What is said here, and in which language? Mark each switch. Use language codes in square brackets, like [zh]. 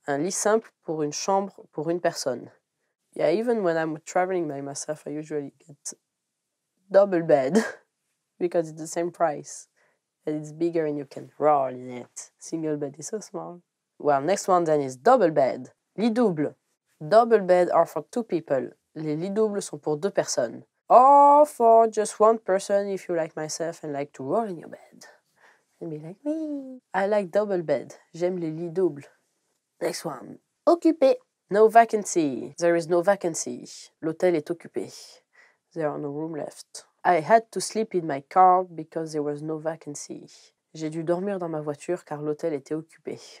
[fr] Un lit simple pour une chambre pour une personne. [en] Yeah, even when I'm traveling by myself, I usually get double bed because it's the same price and it's bigger and you can roll in it. Single bed is so small. Well, next one then is double bed. [fr] Lit double. [en] Double bed are for two people. [fr] Les lits doubles sont pour deux personnes. [en] Or for just one person if you like myself and like to roll in your bed. You'll be like me. I like double bed. [fr] J'aime les lits doubles. [en] Next one. Occupé. No vacancy. There is no vacancy. [fr] L'hôtel est occupé. [en] There are no room left. I had to sleep in my car because there was no vacancy. [fr] J'ai dû dormir dans ma voiture car l'hôtel était occupé.